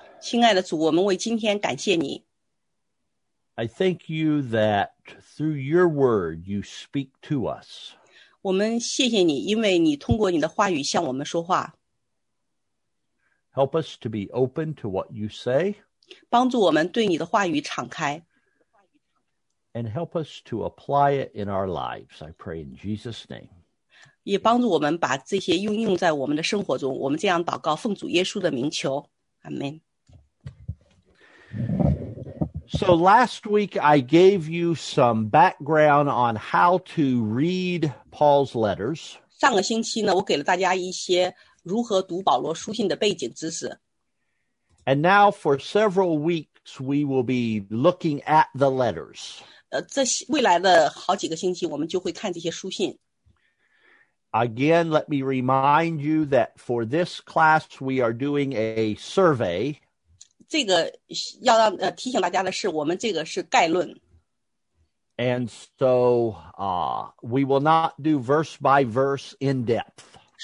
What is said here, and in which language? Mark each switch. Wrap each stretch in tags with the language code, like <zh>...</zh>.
<zh>亲爱的主, 我们为今天感谢你。</zh> <en>I thank you that through your word you speak to us.</en> <zh>我们谢谢你, 因为你通过你的话语向我们说话。</zh> <en>Help us to be open to what you say.</en> <zh>帮助我们对你的话语敞开。</zh> <en>And help us to apply it in our lives, I pray in Jesus' name.</en> <zh>也帮助我们把这些应用在我们的生活中, 我们这样祷告, 奉主耶稣的名求, Amen.</zh> <en>So last week I gave you some background on how to read Paul's letters.</en> <zh>上个星期呢, 我给了大家一些如何读保罗书信的背景知识。</zh> <en>And now for several weeks we will be looking at the letters.</en> <zh>这未来的好几个星期我们就会看这些书信。</zh> <en>Again, let me remind you that for this class we are doing a survey.</en> <zh>这个要提醒大家的是我们这个是概论。</zh> <en>And so we will not do verse by verse in depth.</en>